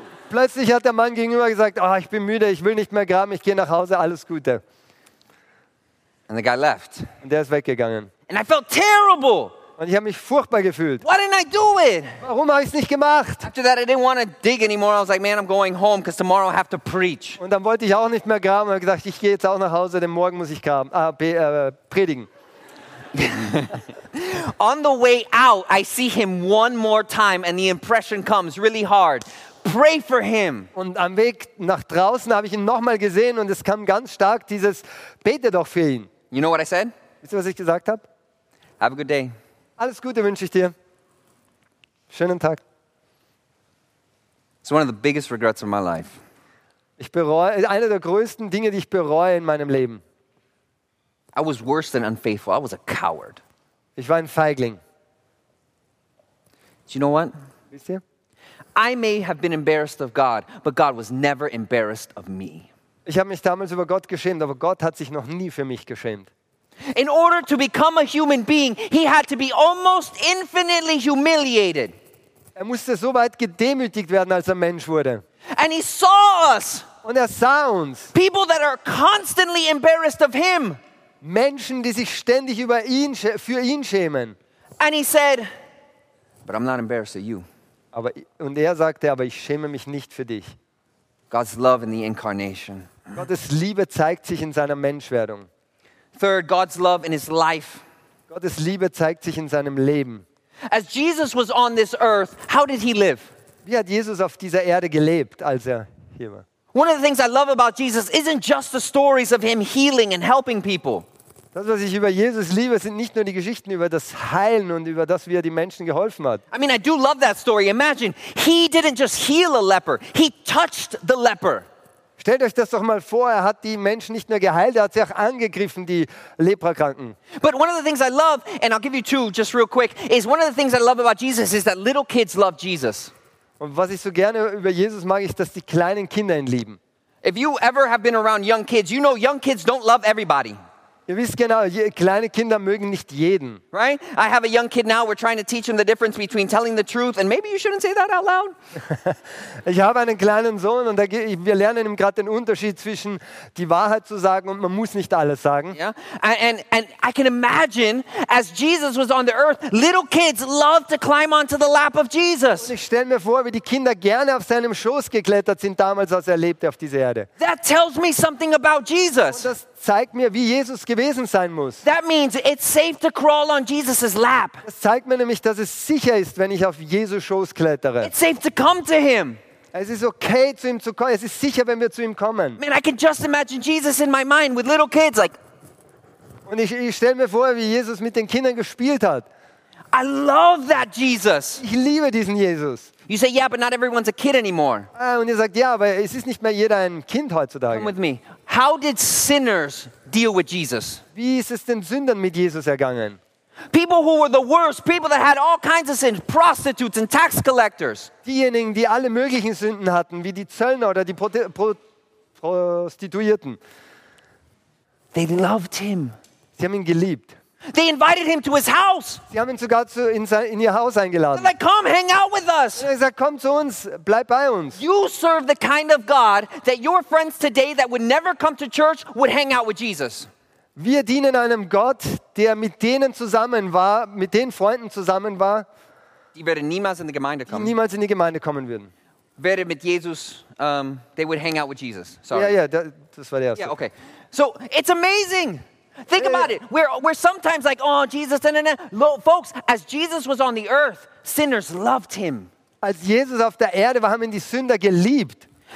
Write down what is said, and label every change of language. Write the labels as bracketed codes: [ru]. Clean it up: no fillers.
[de] Plötzlich hat der Mann gegenüber gesagt, oh, ich bin müde, ich will nicht mehr graben, ich gehe nach Hause, alles Gute. [en] And the guy left. [de] Und der ist weggegangen. [en] And I felt terrible. [de] Und ich habe mich furchtbar gefühlt. [en] Why didn't I do it? [de] Warum habe ich es nicht gemacht? [en] After that I didn't want to dig anymore, I was like, man, I'm going home, because tomorrow I have to preach. [de] Und dann wollte ich auch nicht mehr graben, und habe gesagt, ich gehe jetzt auch nach Hause, denn morgen muss ich predigen. [en] On the way out, I see him one more time, and the impression comes really hard. Pray for him. [de] Und am Weg nach draußen habe ich ihn nochmal gesehen, und es kam ganz stark dieses Bete doch für ihn. [en] You know what I said? [de] Wisst ihr, was ich gesagt habe? [en] Have a good day. [de] Alles Gute wünsche ich dir. Schönen Tag. [en] It's one of the biggest regrets of my life. [de] Ich bereue eine der größten Dinge, die ich bereue in meinem Leben. [en] I was worse than unfaithful. I was a coward. [de] Ich war ein Feigling. [en] Do you know what? [de] Wisst ihr? [en] I may have been embarrassed of God, but God was never embarrassed of me. [de] Ich habe mich damals über Gott geschämt, aber Gott hat sich noch nie für mich geschämt. [en] In order to become a human being, he had to be almost infinitely humiliated. [de] Er musste so weit gedemütigt werden, als er Mensch wurde. [en] And he saw us. [de] Und er sah uns. [en] People that are constantly embarrassed of him. [de] Menschen, die sich ständig über ihn, für ihn schämen. [en] And he said, but I'm not embarrassed of you. [de] Aber, und er sagte, aber ich schäme mich nicht für dich. [en] God's love in the incarnation. [de] Gottes Liebe zeigt sich in seiner Menschwerdung. [en] Third, God's love in his life. [de] Gottes Liebe zeigt sich in seinem Leben. [en] As Jesus was on this earth, how did he live? [de] Wie hat Jesus auf dieser Erde gelebt, als er hier war? [en] One of the things I love about Jesus isn't just the stories of him healing and helping people. [de] Das, was ich über Jesus liebe, sind nicht nur die Geschichten über das Heilen und über das, wie er die Menschen geholfen hat. [en] I mean, I do love that story. Imagine, he didn't just heal a leper, he touched the leper. [de] Stellt euch das doch mal vor, er hat die Menschen nicht nur geheilt, er hat sie auch angegriffen, die Leprakranken. [en] But one of the things I love, and I'll give you two just real quick, is one of the things I love about Jesus is that little kids love Jesus. [de] Und was ich so gerne über Jesus mag, ist, dass die kleinen Kinder ihn lieben. [en] If you ever have been around young kids, you know young kids don't love everybody. [de] Ihr wisst genau, kleine Kinder mögen nicht jeden. [en] Right? I have a young kid now, we're trying to teach him the difference between telling the truth and maybe you shouldn't say that out loud. [de] Ich habe einen kleinen Sohn und wir lernen ihm gerade den Unterschied zwischen die Wahrheit zu sagen und man muss nicht alles sagen. [en] Yeah? And I can imagine, as Jesus was on the earth, little kids love to climb onto the lap of Jesus. [de] Und ich stelle mir vor, wie die Kinder gerne auf seinem Schoß geklettert sind, damals, als er lebte auf dieser Erde. [en] That tells me something about Jesus. [de] Zeigt mir, wie Jesus gewesen sein muss. [en] That means it's safe to crawl on Jesus's lap. [de] Das zeigt mir nämlich, dass es sicher ist, wenn ich auf Jesus Schoß klettere. [en] It's safe to come to him. [de] Es ist okay, zu ihm zu kommen. Es ist sicher, wenn wir zu ihm kommen. [en] Man, I can just imagine Jesus in my mind with little kids, like. [de] Und ich stelle mir vor, wie Jesus mit den Kindern gespielt hat. [en] I love that Jesus. [de] Ich liebe diesen Jesus. [en] You say, yeah, but not everyone's a kid anymore. [de] Und ihr sagt, ja, aber es ist nicht mehr jeder ein Kind heutzutage. [en] Come with me. How did sinners deal with Jesus? [de] Wie ist es den Sündern mit Jesus ergangen? [en] People who were the worst, people that had all kinds of sins, prostitutes and tax collectors. [de] Diejenigen, die alle möglichen Sünden hatten, wie die Zöllner oder die Prostituierten. [en] They loved him. [de] Sie haben ihn geliebt. [en] They invited him to his house. [de] Sie haben ihn sogar in ihr Haus eingeladen. [en] They're like, come hang out with us. [de] Er sagt, komm zu uns, bleib bei uns. [en] You serve the kind of God that your friends today that would never come to church would hang out with Jesus. [de] Wir dienen einem Gott, der mit denen zusammen war, mit den Freunden zusammen war. Die werden niemals in die Gemeinde kommen. Niemals in die Gemeinde kommen würden. Werde mit Jesus, [en] they would hang out with Jesus. Sorry. [de] Yeah, das war der erste. [en] Yeah, okay. So it's amazing. Think about it. We're sometimes like, oh, Jesus. Folks, as Jesus was on the earth, sinners loved him. [de] Als Jesus auf der Erde war, haben ihn die Sünder geliebt.